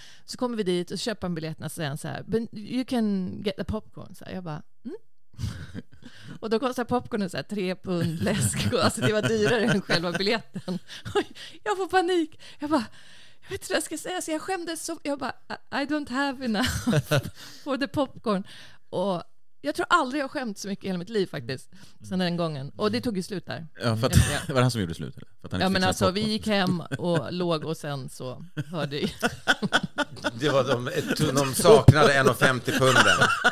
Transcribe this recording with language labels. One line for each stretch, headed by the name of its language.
Swedish: Så kommer vi dit och köper en biljett och sen så här,
English: you can get the popcorn,
Swedish: så här. Jag bara. Och då kostar popcornen så här 3 pund läsk, alltså det var dyrare än själva biljetten. Jag får panik. Jag bara, jag vet inte vad jag ska säga, så jag skämdes så. Jag bara,
English: I don't have enough for the popcorn.
Swedish: Och jag tror aldrig jag skämt så mycket i hela mitt liv faktiskt, sen den gången. Och det tog ju slut där. Ja, för att, var det han som gjorde slut? Eller? För att han, ja, men alltså popcorn. Vi gick hem och låg och sen så hörde jag. Det var de saknade 1,50 punden.